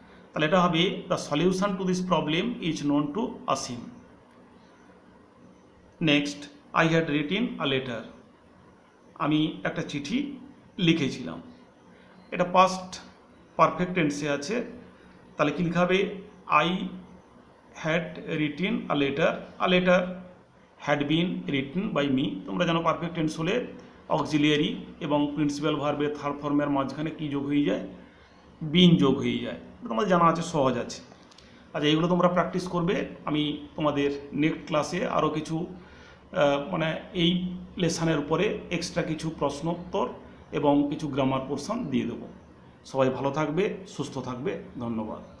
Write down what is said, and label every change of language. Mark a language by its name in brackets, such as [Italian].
[Bangla] তাহলে এটা হবে [English] The solution to this problem is known to Asim. [Bangla] Next, [English] I had written a letter, [Bangla] আমি একটা চিঠি লিখেছিলাম, এটা পাস্ট পারফেক্ট টেন্সে আছে। তাহলে কী লিখাবে, [English] I had written a letter, a letter had been written by me। [Bangla] তোমরা জানো পারফেক্ট টেন্স হলে অক্সিলিয়ারি এবং প্রিন্সিপাল ভার্বের থার্ড ফর্মের মাঝখানে কী যোগ হয়ে যায়, বিন যোগ হয়ে যায়, তোমাদের জানা আছে, সহজ আছে। আচ্ছা এগুলো তোমরা প্র্যাকটিস করবে, আমি তোমাদের নেক্সট ক্লাসে আরও কিছু মানে এই লেসনের উপরে এক্সট্রা কিছু প্রশ্নোত্তর এবং কিছু গ্রামার পোর্শন দিয়ে দেবো। সবাই ভালো থাকবে, সুস্থ থাকবে, ধন্যবাদ।